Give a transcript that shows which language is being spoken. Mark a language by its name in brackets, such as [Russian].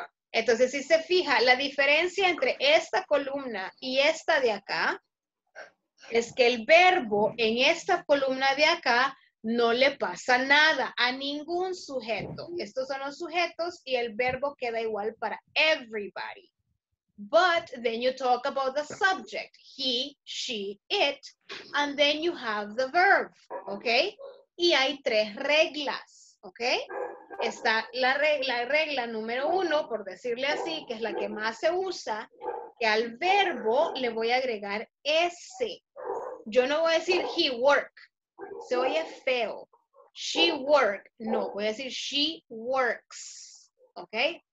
[Spanish] Entonces si se fija, la diferencia entre esta columna y esta de acá, es que el verbo en esta columna de acá no le pasa nada a ningún sujeto. Estos son los sujetos y el verbo queda igual para everybody. [English] But then you talk about the subject, he, she, it, and then you have the verb, ¿ok? [Spanish] Y hay tres reglas, ¿ok? Está la regla número uno, por decirle así, que es la que más se usa, que al verbo le voy a agregar S. Yo no voy a decir [English] he work, [Spanish] se oye feo. [English] She work, [Spanish] no, voy a decir [English] she works, [Spanish] ¿ok?